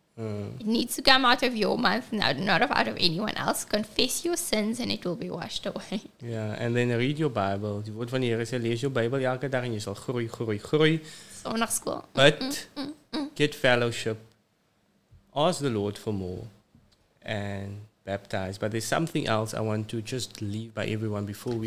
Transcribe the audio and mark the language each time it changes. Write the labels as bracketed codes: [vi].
[en] It needs to come out of your mouth, not out of anyone else. Confess your sins and it will be washed away. Yeah, and then read your Bible. [af] Die woord van die Here sê, lees jou Bybel elke dag en jy sal groei. Sondagskool. [en] But get fellowship. Ask the Lord for more and baptize. But there's something else I want to just leave by everyone before we...